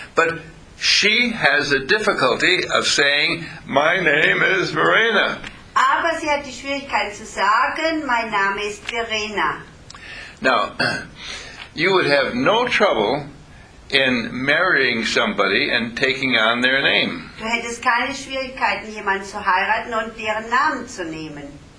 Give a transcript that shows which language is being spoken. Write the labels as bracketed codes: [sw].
[en] But she has a difficulty of saying, my name is Verena. [de] Aber sie hat die Schwierigkeit zu sagen, mein Name ist Verena. [en] Now, you would have no trouble in marrying somebody and taking on their name. [de] Du hättest keine Schwierigkeiten, jemanden zu heiraten und deren Namen zu nehmen.